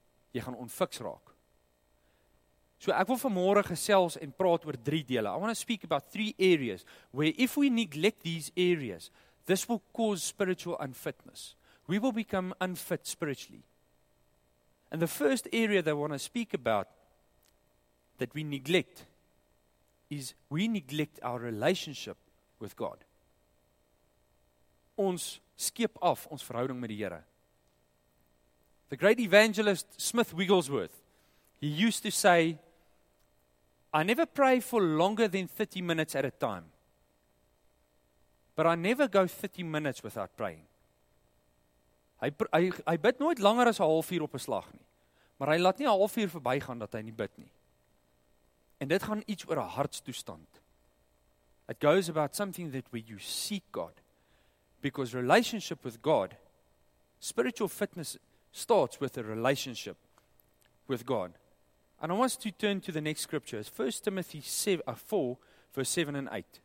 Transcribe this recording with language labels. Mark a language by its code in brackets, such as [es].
[af] Jy gaan onfiks raak. So ek wil vanmôre gesels en praat oor drie dele. [en] I want to speak about three areas where if we neglect these areas, this will cause spiritual unfitness. We will become unfit spiritually. And the first area that I want to speak about that we neglect is we neglect our relationship with God. [af] Ons skeep af ons verhouding met die Here. [en] The great evangelist Smith Wigglesworth, he used to say, I never pray for longer than 30 minutes at a time. But I never go 30 minutes without praying. [af] Hy bid nooit langer as 'n halfuur op 'n slag nie. Maar hy laat nie 'n halfuur verbygaan dat hy nie bid nie. En dit gaan iets oor 'n hartstoestand. [en] It goes about something that where you seek God. Because relationship with God, spiritual fitness starts with a relationship with God. And I want to turn to the next scripture. It's 1 Timothy 4, verse 7 and 8.